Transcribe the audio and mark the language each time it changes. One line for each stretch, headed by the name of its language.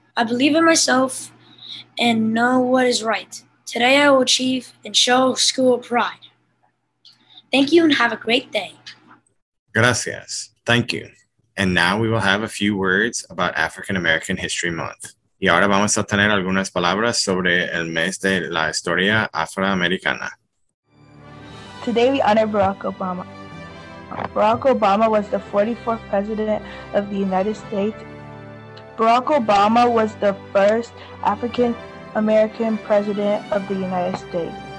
English: I believe in myself and know what is right. Today I will achieve and show school pride. Thank you and have a great day.
Spanish: Gracias.
English: Thank you. And now we will have a few words about African American History Month.
Spanish: Y ahora vamos a tener algunas palabras sobre el mes de la historia afroamericana.
English: Today we honor Barack Obama. Barack Obama was the 44th president of the United States. Barack Obama was the first African American president of the United States.